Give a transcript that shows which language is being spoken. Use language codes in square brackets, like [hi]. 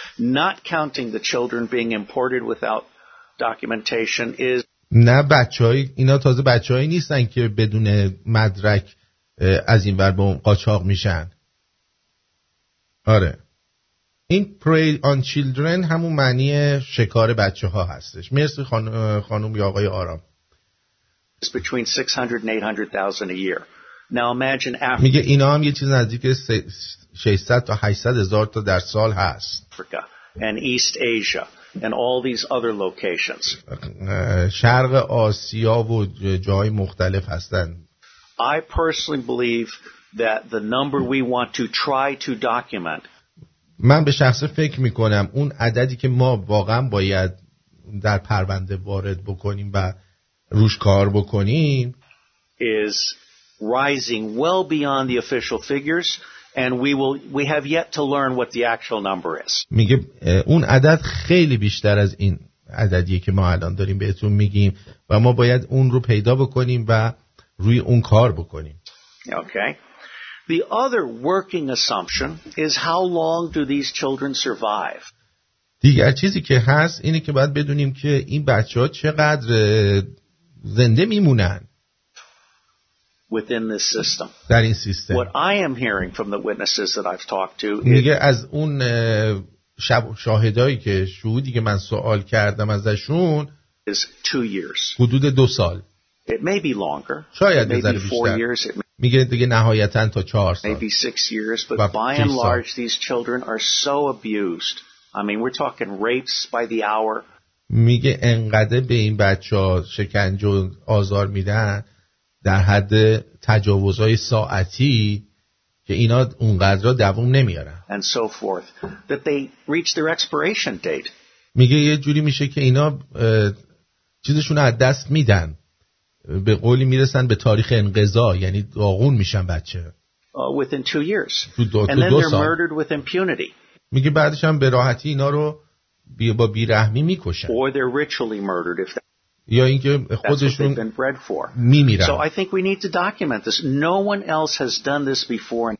[en] Not counting the children being imported without documentation is [fa] نه بچه‌های اینا تازه بچه‌هایی نیستن که بدون مدرک از این ور به اون قاچاق میشن. آره این [en] prey on children [fa] همون معنی شکار بچه ها هستش. مرسی خانم یا آقای آرام. [en] It's between 600 and 800,000 a year. Now imagine Africa. [fa] میگه اینا هم یه چیز نزدیک 600 تا 800 هزار تا در سال هست. [en] Africa and East Asia and all these other locations. [fa] شرق آسیا و جای مختلف هستن. [en] I personally believe that the number we want to try to document. [fa] من به شخص فکر میکنم اون عددی که ما واقعا باید در پرونده وارد بکنیم و روش کار بکنیم [en] is rising well beyond the official figures and we have yet to learn what the actual number is. [fa] میگه اون عدد خیلی بیشتر از این عددیه که ما الان داریم بهتون میگیم و ما باید اون رو پیدا بکنیم و روی اون کار بکنیم. [en] Okay. The other working assumption is how long do these children survive? [fa] دیگر چیزی که هست اینه که باید بدونیم که این بچه‌ها چقدر زنده میمونن. [en] Within this system. [fa] در این سیستم. [en] What I am hearing from the witnesses that I've talked to. [fa] میگه از اون شاهدایی که شهودی که من سوال کردم ازشون [en] is 2 years. [fa] حدود 2 سال. [en] It may be longer. [fa] شاید [en] it may be 4 years. [fa] میگه دیگه نهایتاً تا 4 سال. [en] Maybe 6 years, but by and large these children are so abused. I mean, we're talking rapes by the hour. [fa] میگه انقدر به این بچه‌ها شکنجه و آزار میدن در حد تجاوزهای ساعتی که اینا اونقدرها دووم نمیارن. [en] And so forth that they reach their expiration date. [fa] میگه یه جوری میشه که اینا چیزشون از دست میدن. به قولی میرسن به تاریخ انقضا یعنی داغون میشن بچه [en] within 2 years and then they're murdered with impunity. [fa] میگه بعدش هم به راحتی اینا رو با بی‌رحمی میکشن [en] or they're ritually murdered if [fa] یا اینکه خودشون میمیرن. [en] So I think we need to document this. No one else has done this before.